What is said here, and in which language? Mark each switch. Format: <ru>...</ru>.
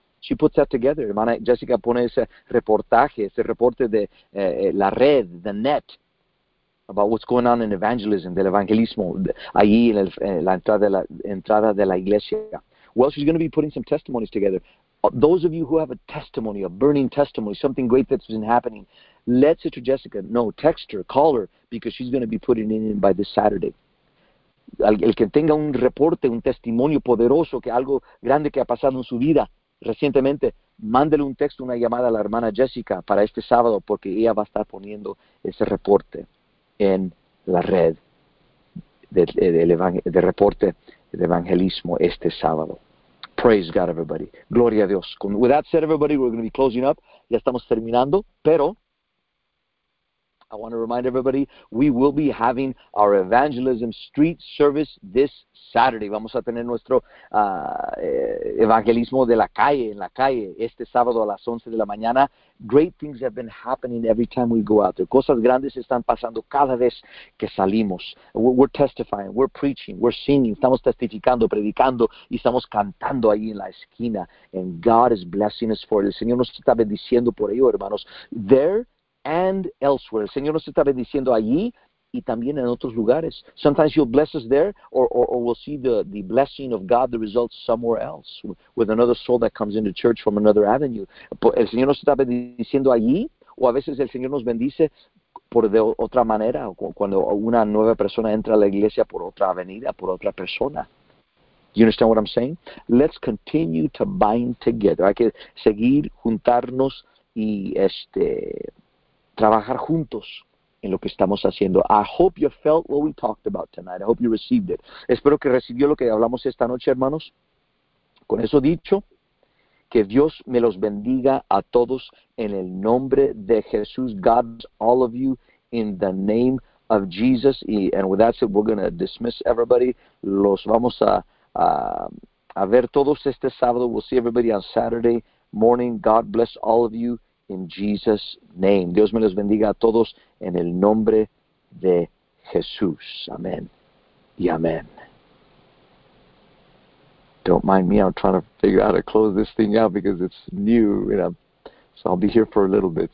<en>She puts that together.</en> <es>Hermana Jessica pone ese reportaje, ese reporte de la red,</es> <en>the net, about what's going on in evangelism,</en> <es>del evangelismo, allí en la entrada de la iglesia.</es> <en>Well, she's going to be putting some testimonies together. Those of you who have a testimony, a burning testimony, something great that's been happening, let Sister Jessica know, text her, call her, because she's going to be putting it in by this Saturday.</en> <es>El que tenga un reporte, un testimonio poderoso, que algo grande que ha pasado en su vida recientemente, mándele un texto, una llamada a la hermana Jessica para este sábado, porque ella va a estar poniendo ese reporte en la red de reporte de evangelismo este sábado.</es> <en>Praise God, everybody.</en> <es>Gloria a Dios.</es> <en>With that said, everybody, we're going to be closing up.</en> <es>Ya estamos terminando, pero</es> <en>I want to remind everybody, we will be having our evangelism street service this Saturday.</en> <es>Vamos a tener nuestro evangelismo de la calle, en la calle, este sábado a las 11 de la mañana.</es> <en>Great things have been happening every time we go out there.</en> <es>Cosas grandes están pasando cada vez que salimos.</es> <en>We're testifying, we're preaching, we're singing,</en> <es>estamos testificando, predicando, y estamos cantando ahí en la esquina.</es> <en>And God is blessing us for it.</en> <es>El Señor nos está bendiciendo por ello, hermanos.</es> <en>There and elsewhere.</en> <es>El Señor nos está bendiciendo allí y también en otros lugares.</es> <en>Sometimes He'll bless us there, or we'll see the blessing of God, the results somewhere else, with another soul that comes into church from another avenue.</en> <es>El Señor nos está bendiciendo allí, o a veces el Señor nos bendice por de otra manera, cuando una nueva persona entra a la iglesia por otra avenida, por otra persona.</es> <en>You understand what I'm saying? Let's continue to bind together.</en> <es>Hay que seguir juntarnos y trabajar juntos en lo que estamos haciendo.</es> <en>I hope you felt what we talked about tonight. I hope you received it.</en> <es>Espero que recibió lo que hablamos esta noche, hermanos. Con eso dicho, que Dios me los bendiga a todos en el nombre de Jesús.</es> <en>God bless all of you in the name of Jesus. And with that said, we're going to dismiss everybody.</en> <es>Los vamos a ver todos este sábado.</es> <en>We'll see everybody on Saturday morning. God bless all of you. In Jesus' name.</en> <es>Dios me los bendiga a todos en el nombre de Jesús. Amén. Y amén.</es> <en>Don't mind me. I'm trying to figure out how to close this thing out because it's new. And so I'll be here for a little bit.</en>